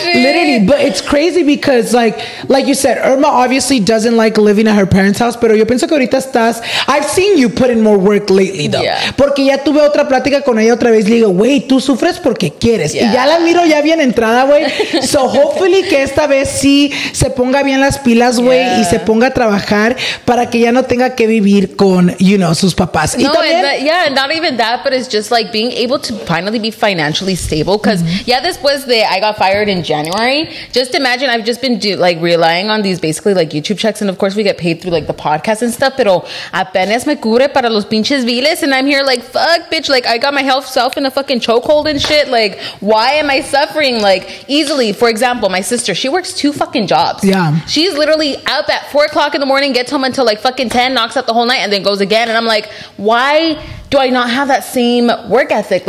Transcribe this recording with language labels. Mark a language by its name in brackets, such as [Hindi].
[English] Literally, but it's crazy because, like you said, Irma obviously doesn't like living at her parents' house. [Spanish] Pero yo pienso que ahorita estás. [English] I've seen you put in more work lately, though. Yeah. [Spanish] Porque ya tuve otra plática con ella otra vez. Le digo, güey, tú sufres porque quieres. Yeah. Y ya la miro ya bien entrada, güey. [English] So hopefully [Spanish] que esta vez sí se ponga bien las pilas, güey, y se ponga a trabajar para que ya no tenga que vivir con, [English] you know, [Spanish] sus papás. [English] No, not even that, but it's just like being able to finally be financially stable. Because, [Spanish] después de [English] I got fired in January, just imagine I've just been relying on these basically like YouTube checks. And of course, we get paid through like the podcast and stuff. [Spanish] Pero apenas me cubre para los pinches viles. [English] And I'm here like, fuck, bitch. Like, I got myself in a fucking chokehold and shit. Like, why am I suffering? Like, easily, for example, my sister, she works 2 fucking jobs. Yeah. She's literally up at 4 o'clock in the morning, gets home until like fucking 10, knocks out the whole night, and then goes again. And I'm like, why? do I not have that same work ethic?